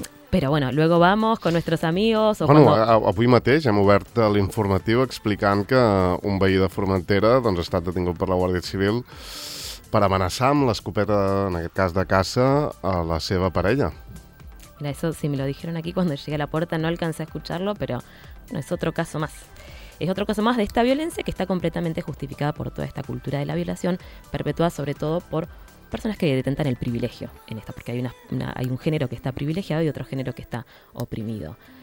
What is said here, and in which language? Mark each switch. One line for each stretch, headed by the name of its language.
Spanish: Pero bueno, luego vamos con nuestros amigos.
Catalan: Avui mateix hem obert l'informatiu explicant que un veí de Formentera doncs, ha estat detingut per la Guàrdia Civil per amenaçar amb l'escopeta, en aquest cas de caça, a la seva parella.
Spanish: Mira, eso sí, me lo dijeron aquí cuando llegué a la puerta, no alcancé a escucharlo, pero bueno, es otro caso más. Es otro caso más de esta violencia que está completamente justificada por toda esta cultura de la violación, perpetuada sobre todo por personas que detentan el privilegio en esto, porque hay un género que está privilegiado y otro género que está oprimido.